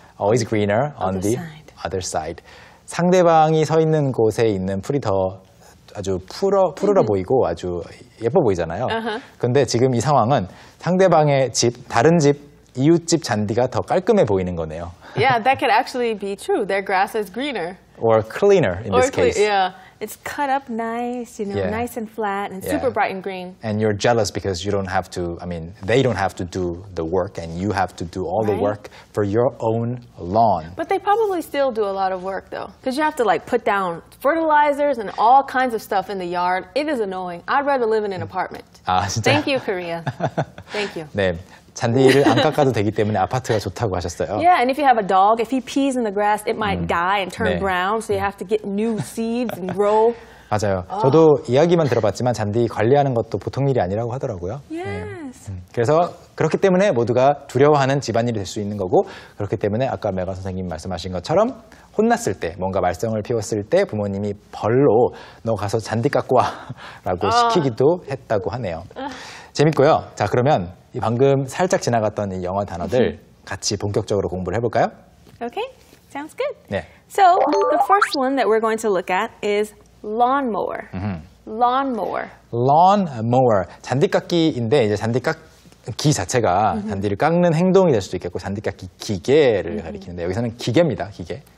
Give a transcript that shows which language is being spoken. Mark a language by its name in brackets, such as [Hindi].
[English] Always greener on the other side. [Korean] 상대방이 서 있는 곳에 있는 풀이 더 아주 푸르러 보이고 아주 예뻐 보이잖아요. 그런데 지금 이 상황은 상대방의 집, 다른 집, 이웃집 잔디가 더 깔끔해 보이는 거네요. [English] Yeah, that could actually be true. Their grass is greener. Or cleaner in this case. Yeah, it's cut up nice, you know, yeah. nice and flat and super yeah. bright and green. And you're jealous because you don't have to, I mean, they don't have to do the work and you have to do all right? the work for your own lawn. But they probably still do a lot of work though, because you have to like put down fertilizers and all kinds of stuff in the yard. It is annoying. I'd rather live in an apartment. [Korean] 아, 진짜? [English] Thank you, Korea. Thank you. [Korean] 네. 잔디를 안 깎아도 되기 때문에 아파트가 좋다고 하셨어요. [English] Yeah, and if you have a dog, if he pees in the grass, it might die and turn [Korean] 네. [English] brown, so you have to get new seeds and grow. [Korean] 맞아요. [English] Oh. [Korean] 저도 이야기만 들어봤지만 잔디 관리하는 것도 보통 일이 아니라고 하더라고요. [English] Yes. [Korean] 네. 그래서 그렇기 때문에 모두가 두려워하는 집안일이 될 수 있는 거고 그렇기 때문에 아까 메가 선생님 말씀하신 것처럼 혼났을 때, 뭔가 말썽을 피웠을 때 부모님이 벌로 너 가서 잔디 깎고 와 라고 시키기도 했다고 하네요. 재밌고요. 자, 그러면 이 방금 살짝 지나갔던 이 영어 단어들 같이 본격적으로 공부를 해볼까요? [English] Okay, sounds good. [Korean] 네. [English] So, the first one that we're going to look at is lawnmower. Lawnmower. Lawnmower. [Korean] 잔디깎기인데 이제 잔디깎기 자체가 잔디를 깎는 행동이 될 수도 있겠고 잔디깎기 기계를 가리키는데 여기서는 기계입니다, 기계.